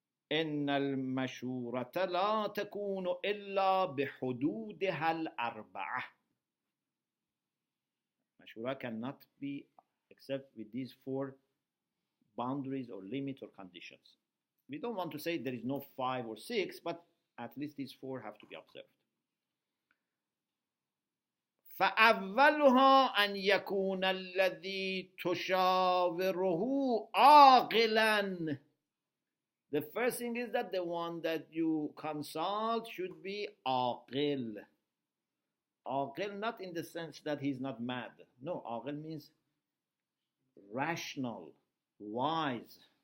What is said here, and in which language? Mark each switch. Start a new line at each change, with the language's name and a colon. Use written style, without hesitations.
Arabic: إِنَّ الْمَشُورَةَ لَا تَكُونُ إِلَّا بِحُدُودِهَا الْأَرْبَعَةِ.
English: Mashwara cannot be except with these four boundaries or limits or conditions. We don't want to say there is no five or six, but at least these four have to be observed.
Arabic: فأولها أن يكون الذي تشاوره عاقلا.
English: The first thing is that the one that you consult should be عاقل. عاقل not in the sense that he's not mad. No, عاقل means rational, wise.